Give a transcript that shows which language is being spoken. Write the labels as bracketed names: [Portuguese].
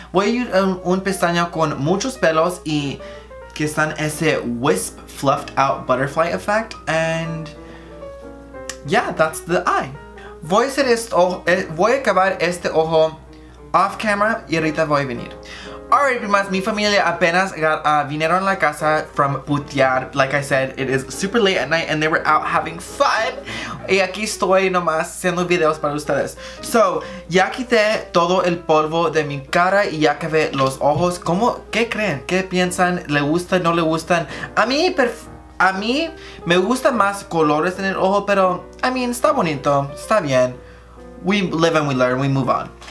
[Spanish] Voy a ir a un pestaña con muchos pelos y que están ese [English] wisp fluffed out butterfly effect and Yeah, that's the eye. [Spanish] Voy a hacer esto, voy a acabar este ojo [English] off camera [Spanish] y ahorita voy a venir. Alright, primas, mi familia apenas vinieron a la casa [English] from [Spanish] putear. [English] Like I said, it is super late at night and they were out having fun. [Spanish] Y aquí estoy nomás haciendo videos para ustedes. [English] So, [Spanish] ya quité todo el polvo de mi cara y ya acabé los ojos. ¿Cómo? ¿Qué creen? ¿Qué piensan? ¿Le gustan? ¿No le gustan? A mí me gustan más colores en el ojo, pero, [English] I mean, [Spanish] está bonito. Está bien. [English] We live and we learn. We move on.